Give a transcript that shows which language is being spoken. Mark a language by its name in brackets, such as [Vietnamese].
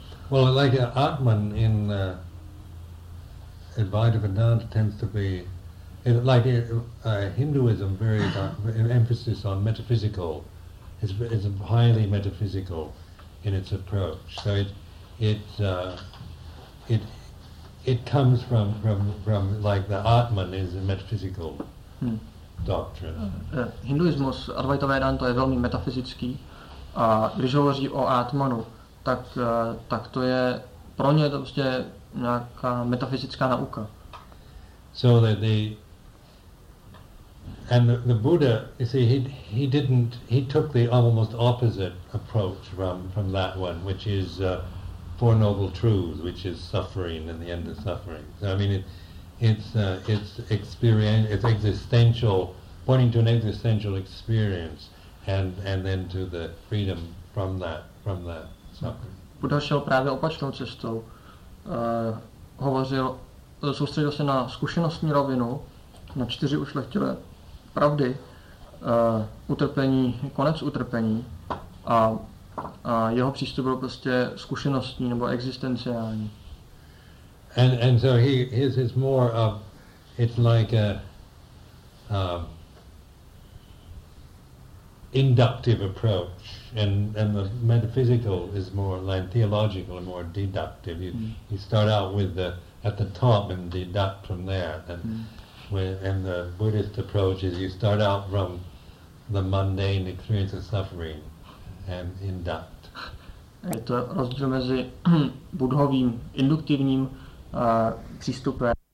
[English] Well, like Atman in Advaita Vedanta tends to be, Hinduism, very emphasis on metaphysical, is highly metaphysical in its approach. So it it comes from like the Atman is a metaphysical doctrine. [Czech] Hinduismus, Advaita Vedanta, je velmi metafyzický. A když hovoří o Atmanu, tak to je pro ně to prostě nějaká metafyzická nauka. [English] So that they and the Buddha, you see, he took the almost opposite approach from that one, which is Four Noble Truths, which is suffering and the end of suffering. So I mean, it's experience, it's existential, pointing to an existential experience, and then to the freedom from that suffering. [Czech] Buddha šel právě opačnou cestou. Hovořil, soustředil se na zkušenostní rovinu, na čtyři ušlechtilé pravdy, utrpení, konec utrpení a jeho přístup byl prostě zkušenostní nebo existenciální. [English] And so he is more of it's like a inductive approach and the metaphysical is more like theological and more deductive. You start out with the at the top and deduct from there and and the Buddhist approach is you start out from the mundane experience of suffering and induct. [Czech] Je to rozdíl mezi buddhovým induktivním přístupem.